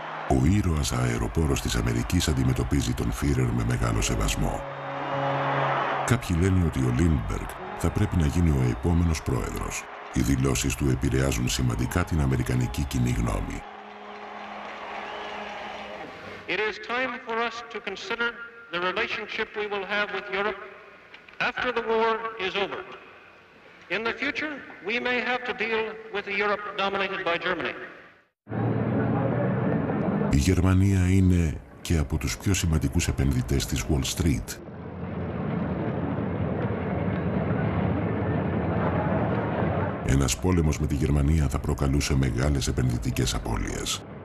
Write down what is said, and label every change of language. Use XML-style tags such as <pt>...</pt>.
<el>Ο ήρωας αεροπόρος της Αμερικής αντιμετωπίζει τον Φίρερ με μεγάλο σεβασμό. Κάποιοι λένε ότι ο Λίντμπεργκ θα πρέπει να γίνει ο επόμενος πρόεδρος. Οι δηλώσεις του επηρεάζουν σημαντικά την αμερικανική κοινή γνώμη.</el> <en>It is time for us to consider the relationship we will have with Europe after the war is over. In the future, we may have to deal with a Europe dominated by Germany.</en> <el>Η Γερμανία είναι και από τους πιο σημαντικούς επενδυτές της Wall Street. Ένας πόλεμος με τη Γερμανία θα προκαλούσε μεγάλες επενδυτικές απώλειες.</el>